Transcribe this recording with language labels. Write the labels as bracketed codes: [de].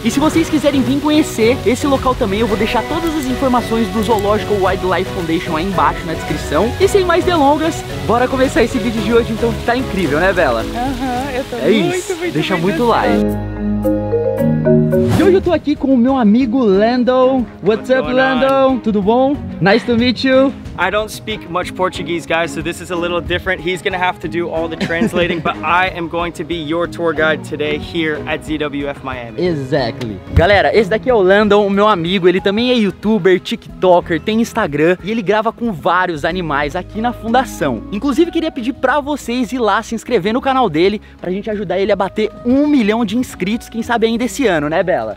[pt] E se vocês quiserem vir conhecer esse local também, eu vou deixar todas as informações do Zoological Wildlife Foundation aí embaixo na descrição. E sem mais delongas, bora começar esse vídeo de hoje, então, que tá incrível, né, Bela? Aham, eu tô muito, muito, muito. Deixa muito like. E hoje eu tô aqui com o meu amigo Landon. [en] What's up, Landon? [pt] Tudo bom? [en] Nice to meet you. I don't speak much Portuguese, guys, so this is a little different. He's gonna have to do all the translating, but I am going to be your tour guide today here at ZWF Miami. Exactly. [pt] Galera, esse daqui é o Landon, o meu amigo. Ele também é youtuber, tiktoker, tem Instagram e ele grava com vários animais aqui na fundação. Inclusive, queria pedir pra vocês ir lá se inscrever no canal dele pra gente ajudar ele a bater 1 milhão de inscritos, quem sabe ainda esse ano, né, Bela?